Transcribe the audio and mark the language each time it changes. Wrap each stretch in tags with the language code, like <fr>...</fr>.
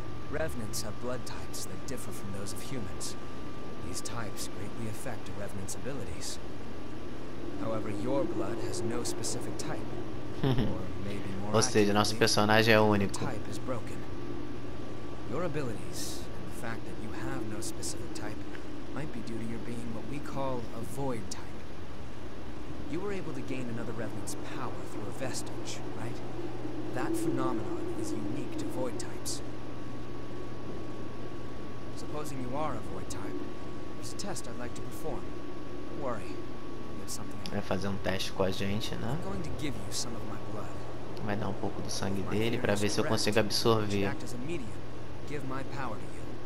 <en>Revenants have blood types that differ from those of humans. These types greatly affect a Revenant's abilities. However, your blood has no specific type. Or maybe more.</en> <pt>Ou seja, nosso personagem é único.</pt> <en>Type is broken. Your abilities, and the fact that you have no specific type, might be due to your being what we call a void type. You were able to gain another Revenant's power through a vestige, right? That phenomenon is unique to void types. Supposing you are a void type, there's a test I'd like to perform. Don't worry, there's something else.</en> <pt>Vai fazer teste com a gente, né?</pt> <en>I'm going to give you some of my blood.</en> <pt>Vai dar pouco do sangue dele para ver se eu consigo absorver.</pt> <en>Act as a medium, give my power to you.</en>